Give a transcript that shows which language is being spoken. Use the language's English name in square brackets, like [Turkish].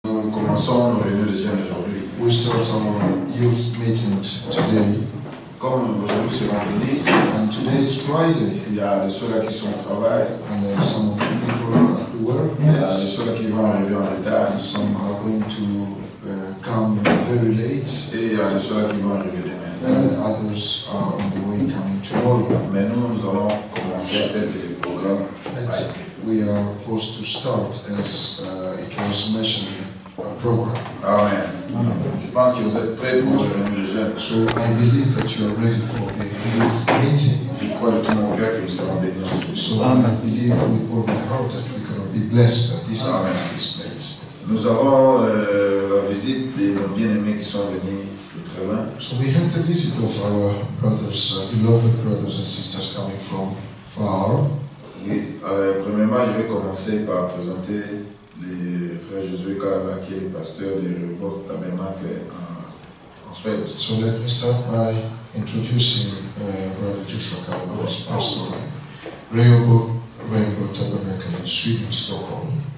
[French] comme un son, nous réunir les jeunes aujourd'hui. [English] We still have a youth meeting today. [French] Comme aujourd'hui c'est vendredi. [English] And today is Friday. [French] Il y a des soeurs qui sont au travail. [English] And there are some people who are at work. [French] Il y a des soeurs qui vont arriver en retard. [English] Some are going to come very late. [French] Et il y a des soeurs qui vont arriver demain. [English] And others are on the way coming tomorrow. [French] Mais nous allons commencer peut-être le programme. [English] We are forced to start as it was mentioned a program. Amen. [French] Je pense que vous êtes prêts pour le réunion des jeunes. [English] So I believe that you are ready for the youth meeting. [French] Je crois de tout mon cœur que nous serons bénis. [English] So I believe with all my heart that we can be blessed at this Amen. This place. [French] Nous avons la visite de nos bien-aimés qui sont venus de très loin. [English] So we have the visit of our brothers, beloved brothers and sisters coming from far. [French] Premièrement, je vais commencer par présenter le frère Josué Kalala, qui est le pasteur de Rehobot Tabernacle en Suède. [English] So let me start by introducing Brother Joshua Kalala, who is pastor of Rehobot Tabernacle in Sweden, Stockholm.